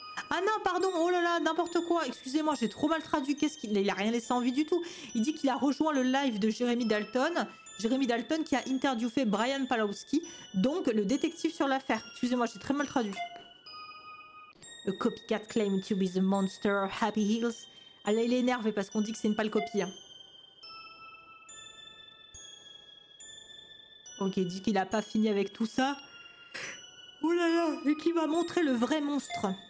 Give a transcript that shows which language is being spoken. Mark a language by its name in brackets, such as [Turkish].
[French] Ah non, pardon, oh là là, n'importe quoi. Excusez-moi, j'ai trop mal traduit. Qu'est-ce qu'il... Il a rien laissé en vie du tout. Il dit qu'il a rejoint le live de Jeremy Dalton. Jeremy Dalton qui a interviewé Brian Pawlowski, donc le détective sur l'affaire. Excusez-moi, j'ai très mal traduit. [English] A copycat claim to be the monster of Happy Hills. [French] Elle est énervée parce qu'on dit que c'est une pâle copie. Hein. Ok, dit qu'il a pas fini avec tout ça. Oh là là, et qui va montrer le vrai monstre.